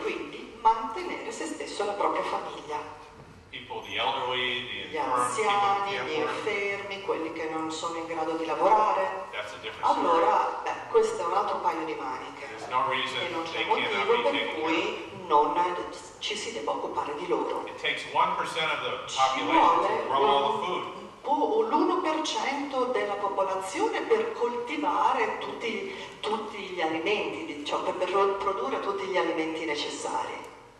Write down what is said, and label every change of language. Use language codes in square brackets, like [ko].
[it] Quindi mantenere se stesso e la propria famiglia. [en] The elderly, the [it] gli anziani, gli infermi, quelli che non sono in grado di lavorare. [en] That's a different [it] allora, beh, questo è un altro paio di maniche. [en] No, [it] e non c'è motivo per cui non ci si debba occupare di loro. [en] It takes 1% of the population to grow all the food. [it] L'1% della popolazione per coltivare tutti gli alimenti, cioè per produrre tutti gli alimenti necessari.